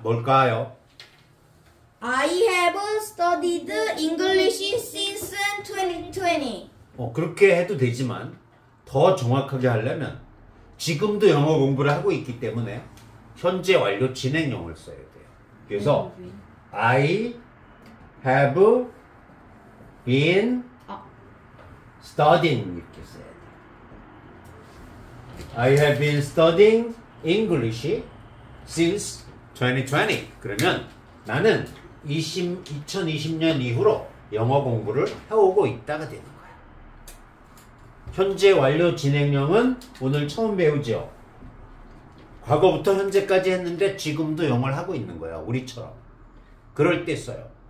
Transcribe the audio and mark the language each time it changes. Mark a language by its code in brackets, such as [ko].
[ko] 뭘까요? [en] I have studied English since 2020. [ko] 그렇게 해도 되지만 더 정확하게 하려면 지금도 영어 공부를 하고 있기 때문에 현재 완료 진행형을 써야 돼요. 그래서 [en] I have been studying [ko] 이렇게 써야 돼. [en] I have been studying English since 2020. [ko] 그러면 나는 2020년 이후로 영어 공부를 해오고 있다가 되는 거야. 현재 완료 진행형은 오늘 처음 배우죠. 과거부터 현재까지 했는데 지금도 영어를 하고 있는 거야. 우리처럼. 그럴 때 써요.